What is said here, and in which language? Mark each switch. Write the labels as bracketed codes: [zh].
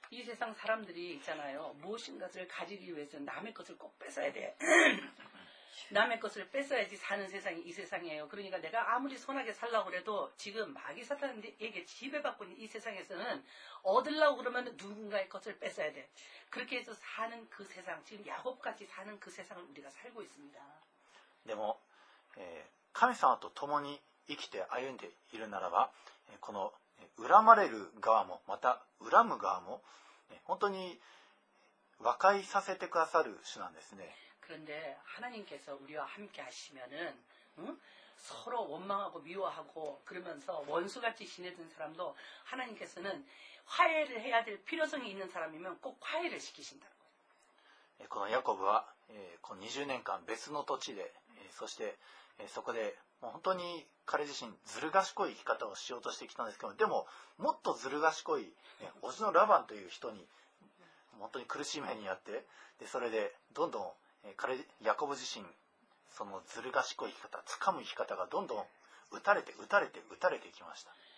[ko] 이세상사람들이있잖아요무엇인가를가지기위해서남의것을꼭뺏어야돼 남의것을뺏어야지사는세상이이세상이에요그러니까내가아무리선하게살라고해도지금마귀사탄에게지배받고있는이세상에서는얻으려고그러면누군가의것을뺏어야돼그렇게해서사는그세상지금야곱같이사는그세상을우리가살고있습니다 [ja] でも神様と共に生きて歩んでいるならば、この恨まれる側もまた恨む側も本当に和解させてくださる主なんですね。 [ko] 그런데 하나님께서 우리와 함께 하시면은 응? 서로 원망하고 미워하고 그러면서 원수같이 지내던 사람도 하나님께서는 화해를 해야 될 필요성이 있는 사람이면 꼭 화해를 시키신다는 거예요. [ja] このヤコブは、この20年間別の土地で、そして、そこで、もう本当に彼自身ずる賢い生き方をしようとしてきたんですけど、でももっとずる賢い、オズのラバンという人に本当に苦しい目にあって、でそれでどんどん、彼ヤコブ自身そのずる賢い生き方、掴む生き方がどんどん打たれて打たれて打たれていきました。